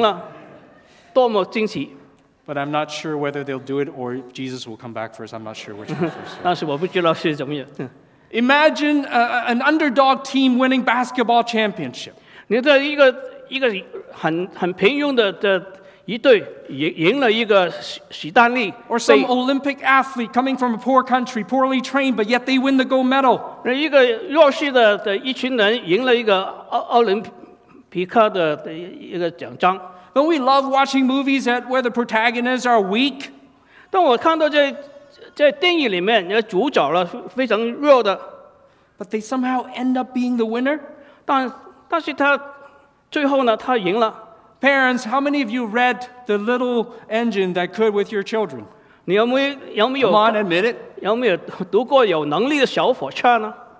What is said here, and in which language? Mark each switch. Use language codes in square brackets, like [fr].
[zh] 你想一想呢,这个多伦多的球队赢了,多么惊奇。 [en] But I'm not sure whether they'll do it or Jesus will come back first. I'm not sure which one first. [zh] 但是我不知道是怎么样。 [en] Imagine an underdog team winning basketball championship. [zh] 你的一个很平庸的一队赢了一个史丹利, [en] or some Olympic athlete coming from a poor country, poorly trained, but yet they win the gold medal. [zh] 一个弱势的一群人赢了一个奥林匹克的一个奖章. [en] Don't we love watching movies that where the protagonists are weak? [zh] 当我看到这电影里面，那主角了非常弱的。 [en] But they somehow end up being the winner. [zh] 但是他最后呢，他赢了。 [en] Parents, how many of you read The Little Engine That Could with your children? [zh] 你有没有 [en] Come on, admit it. [zh] 有没有读过有能力的小火车呢？